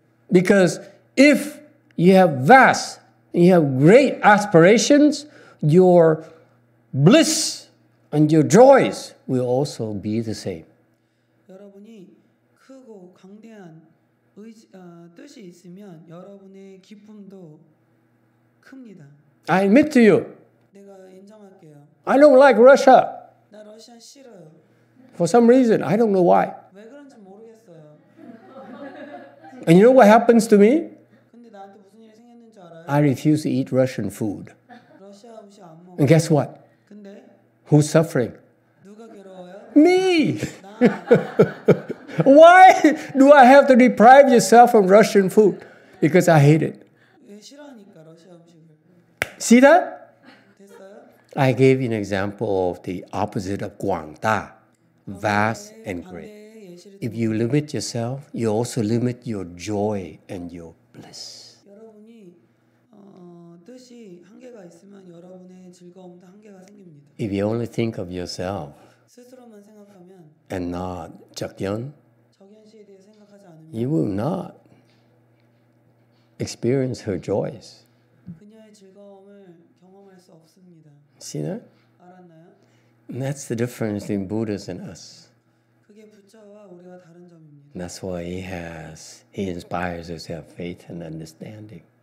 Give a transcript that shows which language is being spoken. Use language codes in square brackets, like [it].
[en] Because if you have vast, you have great aspirations, your bliss and your joys will also be the same. [ko] 여러분이 크고 광대한 뜻이 있으면 여러분의 기쁨도 큽니다. [en] I admit to you. [ko] 내가 인정할게요. [en] I don't like Russia. [ko] 나 러시아 싫어요. [en] For some reason, I don't know why. [ko] 왜 그런지 모르겠어요. [en] And you know what happens to me? [ko] 근데 나한테 무슨 일이 생겼는 줄 알아요? [en] I refuse to eat Russian food. [ko] 러시아 음식 안 먹어. [en] And guess what? [ko] 근데? [en] Who's suffering? [ko] 누가 괴로워요? [en] Me! Why do I have to deprive yourself of Russian food? Because I hate it. [ko] 왜 싫어하니까, 러시아 음식을. [en] See that? [ko] 됐어요? [en] I gave you an example of the opposite of Guang Da, vast and great. If you limit yourself, you also limit your joy and your bliss. [ko] 여러분이 뜻이 한계가 있으면 여러분의 즐거움도 한계가 생깁니다. [en] If you only think of yourself, [ko] 스스로만 생각하면, [en] and not 적연, [ko] 적연 씨에 대해 생각하지 않으면, [en] you will not experience her joys. [ko] 그녀의 즐거움을 경험할 수 없습니다. [en] See that? [ko] 알았나요? [en] And that's the difference between Buddhas and us. [ko] 그게 부처와 우리가 다른 점입니다. [en] That's why he inspires us to have faith and understanding.